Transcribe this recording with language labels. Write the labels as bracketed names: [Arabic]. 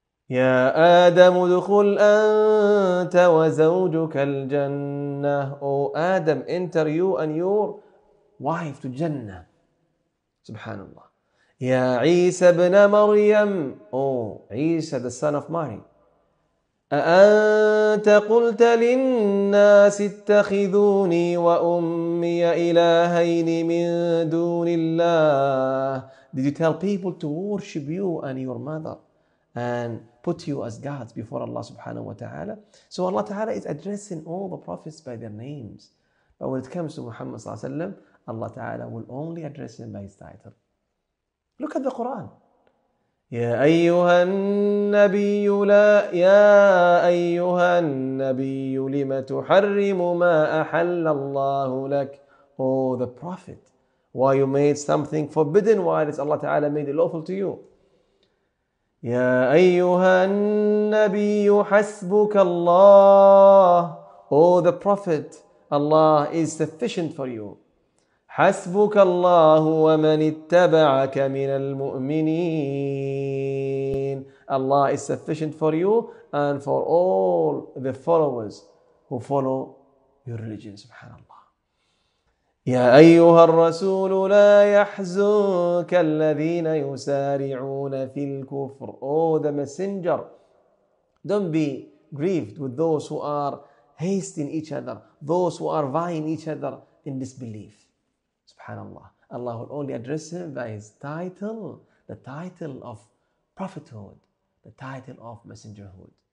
[Arabic] يا آدم ادخل أنت وزوجك الجنة. [English] O Adam, enter you and your wife to Jannah. [Arabic] سبحان الله. يا عيسى بن مريم. [English] O عيسى, the son of Mary. [Arabic] أأنت قلت للناس اتخذوني وأمي إلهين من دون الله. [English] Did you tell people to worship you and your mother and put you as gods before Allah subhanahu wa ta'ala? So Allah ta'ala is addressing all the prophets by their names. But when it comes to Muhammad sallallahu alayhi wa sallam, Allah ta'ala will only address him by his title. Look at the Quran. [Arabic] يا أيها النبي لا يا أيها النبي لم تحرم ما أحل الله لك. [English] Oh, the Prophet, why you made something forbidden while it's Allah Ta'ala made it lawful to you? [Arabic] يا أيها النبي حسبك الله. [English] Oh, the Prophet, Allah is sufficient for you. [Arabic] حسبك الله ومن اتبعك من المؤمنين. [English] Allah is sufficient for you and for all the followers who follow your religion, subhanAllah. [Arabic] يا أيها الرسول لا يحزنك الذين يسارعون في الكفر. [English] Oh, the messenger, don't be grieved with those who are hasting each other, those who are vying each other in disbelief. Subhanallah. Allah will only address him by his title, the title of prophethood, the title of messengerhood.